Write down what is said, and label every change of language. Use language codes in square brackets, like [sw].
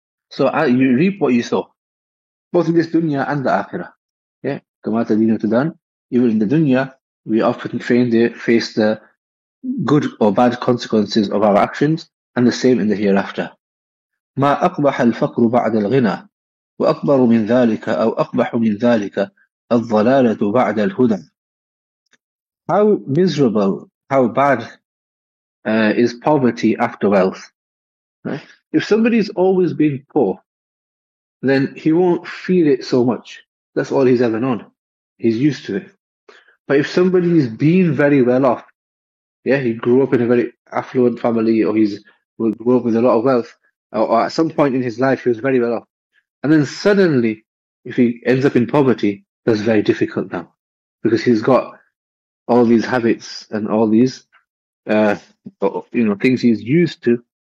[en] So you reap what you sow, both in this dunya and the akhirah. Yeah, [ar] kama tadinu tadan. [en] Even in the dunya, we often face the good or bad consequences of our actions, and the same in the hereafter. [ar] ما أقبح الفقر بعد الغنى وأكبر من ذلك أو أقبح من ذلك الضلالة بعد الهدى. [en] How miserable, how bad is poverty after wealth? Right? If somebody's always been poor, then he won't feel it so much. That's all he's ever known. He's used to it. But if somebody's been very well off, yeah, he grew up in a very affluent family, or he's grew up with a lot of wealth, or at some point in his life he was very well off, and then suddenly, if he ends up in poverty, that's very difficult now, because he's got all these habits and all these, things he's used to.